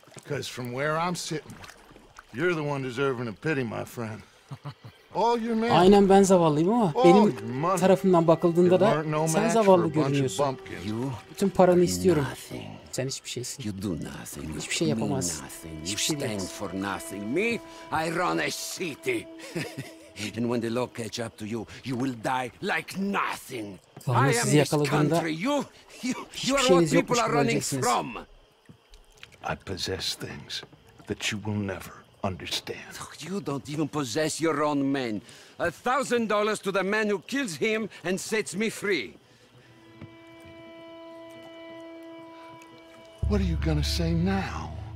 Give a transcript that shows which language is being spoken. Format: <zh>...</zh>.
<en>Because from where I'm sitting, you're the one deserving of pity, my friend. All your men.</en> <tr>Aynen ben zavallıyım ama benim tarafımdan bakıldığında da sen zavallı görünüyorsun. Bütün paranı istiyorum. Sen hiçbir şeysin.</tr> <en>You do nothing.</en> <tr>Hiçbir şey yapamazsın. Hiçbir şey değil.</tr> <en>Stand for nothing. Me, I run a city. And when the law catch up to you, you will die like nothing.</en> <tr>Vallahi sizi yakaladığında hiçbir şeyiniz yokmuş gibi öleceksiniz.</tr> <en>I possess things that you will never understand. You don't even possess your own men. $1,000 to the man who kills him and sets me free. What are you gonna say now?</en>